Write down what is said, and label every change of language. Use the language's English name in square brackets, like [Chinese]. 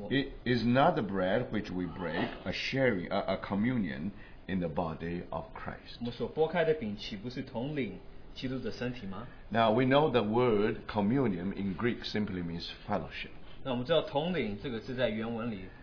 [English] It is not the bread which we break a sharing, a communion in the body of Christ. [Chinese] 我们所拨开的饼岂不是同领基督的身体吗? [English] Now we know the word communion in Greek simply means fellowship. [Chinese] 那我们知道同领这个字在原文里